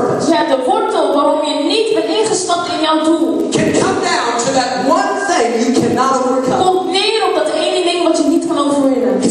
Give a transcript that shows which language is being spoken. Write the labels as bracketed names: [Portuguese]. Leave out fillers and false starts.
[Dutch] Ja, de wortel waarom je niet bent ingestapt in jouw doel. [English] Can come down to that one thing you cannot overcome. [Dutch] Komt neer op dat ene ding wat je niet kan overwinnen.